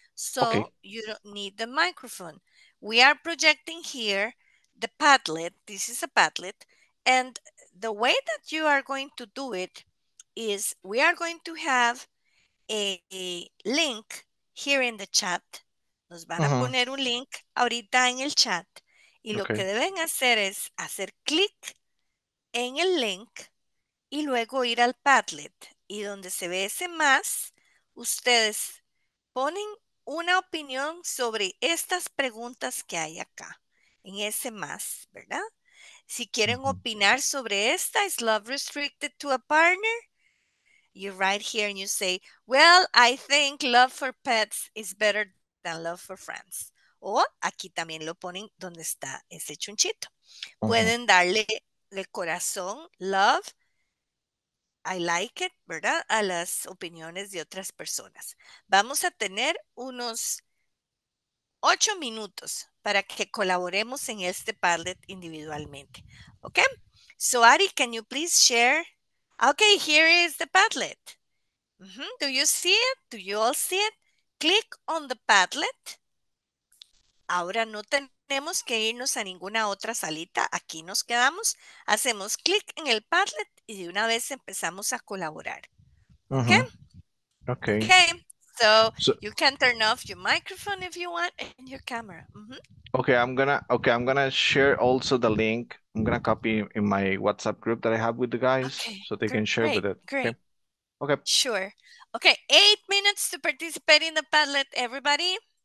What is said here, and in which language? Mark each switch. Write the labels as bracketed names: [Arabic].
[English] So you don't need the microphone. We are projecting here the Padlet. This is a Padlet. And the way that you are going to do it is we are going to have a link here in the chat. [Spanish] Nos van a poner un link ahorita en el chat. Y lo que deben hacer es hacer clic en el link y luego ir al Padlet. Y donde se ve ese más, ustedes ponen una opinión sobre estas preguntas que hay acá. En ese más, ¿verdad? Si quieren opinar sobre esta, [English] ¿is love restricted to a partner? You write here and you say, well, I think love for pets is better than love for friends. [Spanish] O aquí también lo ponen donde está ese chunchito. Pueden darle el corazón, [English] love, I like it, [Spanish] ¿verdad? A las opiniones de otras personas. Vamos a tener unos 8 minutos para que colaboremos en este Padlet individualmente. Okay? [English] So, Ari, can you please share? Okay, here is the Padlet. Do you see it? Do you all see it? Click on the Padlet. [Spanish] Ahora no tenemos que irnos a ninguna otra salita. Aquí nos quedamos. Hacemos clic en el Padlet y de una vez empezamos a colaborar. [English] Okay? Okay. So, you can turn off your microphone if you want and your camera. Okay, I'm gonna share also the link. I'm gonna copy in my WhatsApp group that I have with the guys so they can share with it. Great. Okay. Sure. Okay, 8 minutes to participate in the Padlet, everybody.